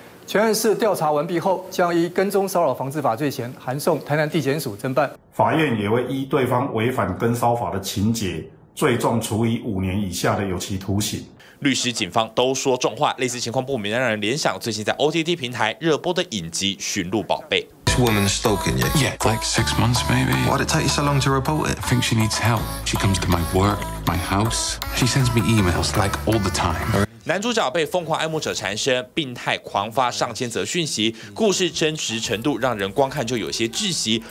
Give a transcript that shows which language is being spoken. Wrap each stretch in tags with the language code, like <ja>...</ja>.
<zh>全案室调查完毕后，将依跟踪骚扰防治法罪嫌函送台南地检署侦办。法院也会依对方违反跟骚法的情节，最重处以五年以下的有期徒刑。律师、警方都说重话，类似情况不免让人联想最近在 OTT 平台热播的影集《寻路宝贝》。</zh> <en>This woman has stalking you. Yeah, like 6 months maybe. Why'd it take you so long to report it? I think she needs help. She comes to my work, my house. She sends me emails like all the time.</en> <zh>男主角被疯狂爱慕者缠身，病态狂发上千则讯息，故事真实程度让人光看就有些窒息。</zh>